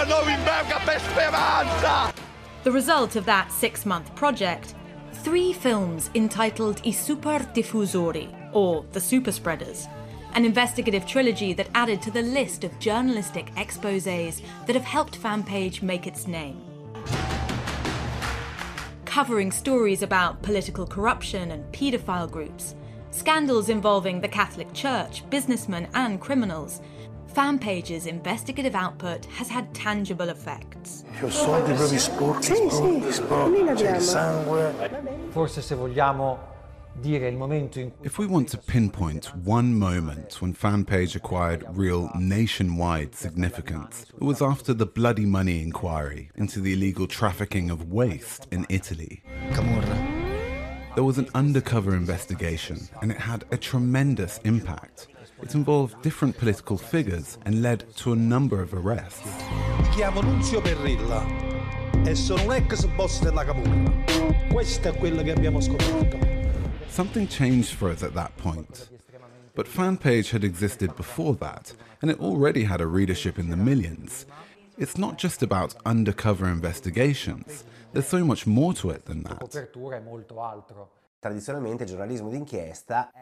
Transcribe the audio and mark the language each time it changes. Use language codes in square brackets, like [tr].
[en] The result of that 6-month project, 3 films entitled I Super Diffusori, or The Super Spreaders, an investigative trilogy that added to the list of journalistic exposés that have helped FanPage make its name. Covering stories about political corruption and paedophile groups, Scandals involving the Catholic Church, businessmen and criminals. Fanpage's investigative output has had tangible effects. [it] Io soldi proprio sporchi, sporchi, c'è il sangue. Forse se vogliamo dire il momento in cui... [en] If we want to pinpoint one moment when Fanpage acquired real nationwide significance, it was after the Bloody Money inquiry into the illegal trafficking of waste in Italy. Camorra. There was an undercover investigation, and it had a tremendous impact. It involved different political figures and led to a number of arrests. [it] Mi chiamo Nunzio Perrilla e sono un ex boss della Camorra. Questo è quello che abbiamo scoperto. [en] Something changed for us at that point. But Fanpage had existed before that, and it already had a readership in the millions. It's not just about undercover investigations. There's so much more to it than that.